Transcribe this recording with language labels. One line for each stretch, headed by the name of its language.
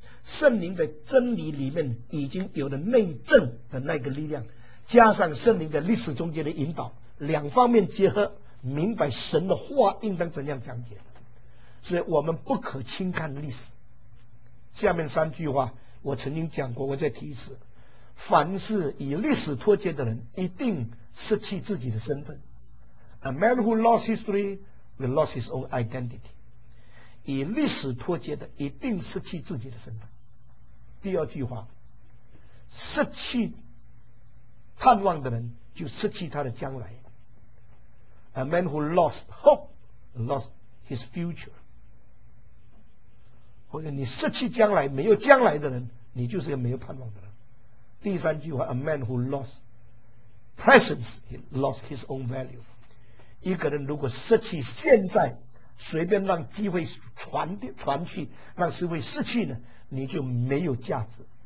Chinese: 圣灵在真理里面已经有了内证的那个力量，加上圣灵在历史中间的引导，两方面结合，明白神的话应当怎样讲解。所以我们不可轻看历史。下面三句话我曾经讲过，我再提一次，凡是与历史脱节的人一定失去自己的身份。
English: A man who lost history will lose his own identity。
Chinese: 与历史脱节的一定失去自己的身份。第二句话，失去盼望的人就失去他的将来。
English: A man who lost hope lost his future。
Chinese: 或者你失去将来，没有将来的人，你就是一个没有盼望的人。
English: 第三句话， A man who lost presence he lost his own value。
Chinese: 一个人如果失去现在，随便让机会传去，让社会失去呢，你就没有价值。